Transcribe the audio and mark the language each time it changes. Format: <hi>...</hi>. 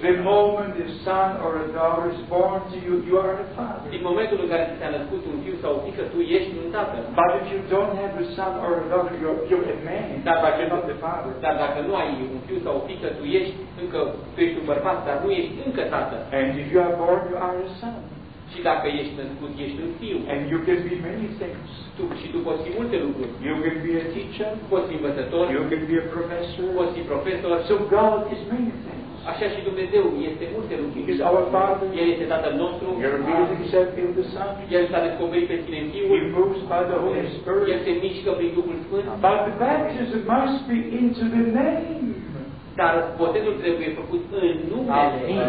<en>The moment the son or a daughter is born to you, you are a father.</en> <ro>Din momentul în care ți s-a născut un fiu sau o fiică, tu ești un tată.</ro> <en>But if you don't have a son or a daughter, you're a man.</en> <ro>Dar dacă nu ai un fiu sau o fiică, tu ești un bărbat, dar nu ești încă tată.</ro> <en>And if you are born, you are a son.</en> <ro>Și dacă ești născut, ești un fiu.</ro> <en>And you can be many things.</en> <ro>Tu poți fi multe lucruri.</ro> <en>You can be a teacher.</en> <ro>Poți fi învățător.</ro> <en>You can be a professor.</en> <ro>Poți fi profesor.</ro> <en>So God is many things.</en> <ro>Așa și Dumnezeu este multe lucruri.</ro> <en>He is our Father.</en> <ro>El este Tatăl nostru.</ro> <en>He reveals himself in the Son.</en> <ro>El s-a descoperit pe sine în Fiul.</ro> <en>He moves by the Holy Spirit.</en> <ro>El se mișcă prin Duhul Sfânt.</ro> <en>But the baptism must be into the name.</en> <ro>Dar botezul trebuie făcut în numele.</ro>